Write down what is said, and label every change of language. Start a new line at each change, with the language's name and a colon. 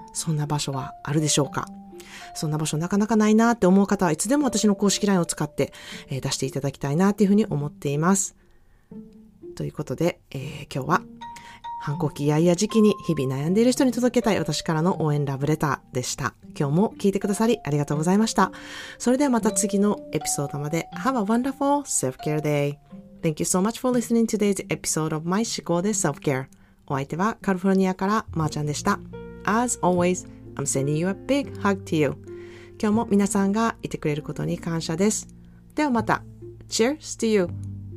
Japanese: そんな場所はあるでしょうか？そんな場所なかなかないなーって思う方はいつでも私の公式 LINE を使って、出していただきたいなーっていうふうに思っています。ということで、今日は、反抗期やいや時期に日々悩んでいる人に届けたい私からの応援ラブレターでした。今日も聞いてくださりありがとうございました。それではまた次のエピソードまで。
English: Have a wonderful self-care day. Thank you so much for listening to today's episode of My 思考で Self-Care.
Japanese: お相手はカリフォルニアからまーちゃんでした。
English: As always, I'm sending you a big hug to you.
Japanese: 今日も皆さんがいてくれることに感謝です。ではまた。
English: Cheers to you!